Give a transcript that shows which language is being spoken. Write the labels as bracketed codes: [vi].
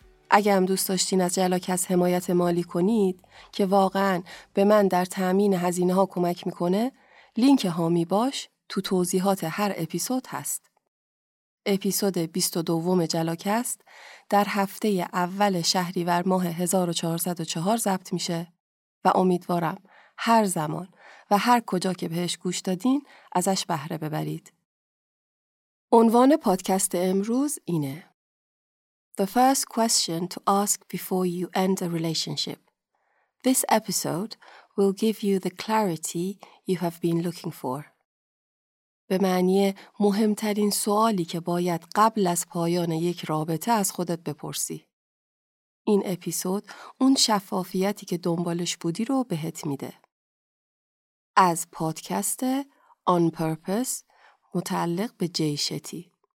[fa] اگه هم دوست داشتین از جلاکست حمایت مالی کنید که واقعاً به من در تأمین هزینه ها کمک میکنه، لینک حامی باش تو توضیحات هر اپیزود هست. اپیزود 22 جلاکست در هفته اول شهریور ماه 1404 ضبط میشه و امیدوارم هر زمان و هر کجا که بهش گوش دادین ازش بهره ببرید. عنوان پادکست امروز اینه: [en] The first question to ask before you end a relationship. This episode will give you the clarity you have been looking for. [fa] به معنی مهمترین سوالی که باید قبل از پایان یک رابطه از خودت بپرسی. این اپیزود اون شفافیتی که دنبالش بودی رو بهت میده. از پادکست On Purpose متعلق به جی شتی.